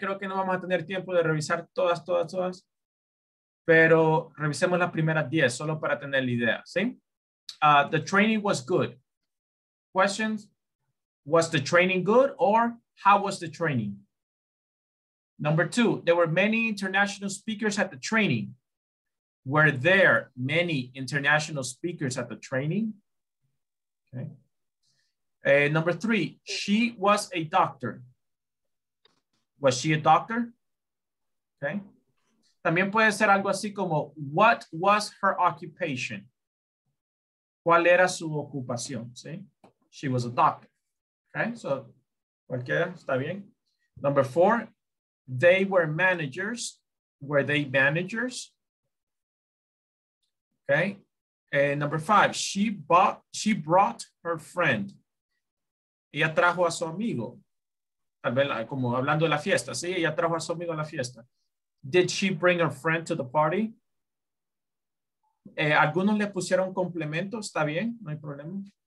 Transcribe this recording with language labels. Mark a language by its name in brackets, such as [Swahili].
[Spanish] Creo que no vamos a tener tiempo de revisar todas. Pero revisemos las primeras 10, solo para tener la idea, ¿sí? [English] The training was good. Questions? Was the training good or how was the training? Number 2, there were many international speakers at the training. Were there many international speakers at the training? Okay. Number 3, she was a doctor. Was she a doctor? Okay. [Spanish] También puede ser algo así como, [English] what was her occupation? [Spanish] ¿Cuál era su ocupación? ¿Sí? [English] She was a doctor. Okay, so [Spanish] cualquiera está bien. [English] Number 4, they were managers. Were they managers? Okay. Number 5, she brought her friend. [Spanish] Ella trajo a su amigo. Tal vez como hablando de la fiesta, ¿sí? Ella trajo a su amigo a la fiesta. [English] Did she bring her friend to the party? [Spanish] Algunos le pusieron complemento, está bien, no hay problema.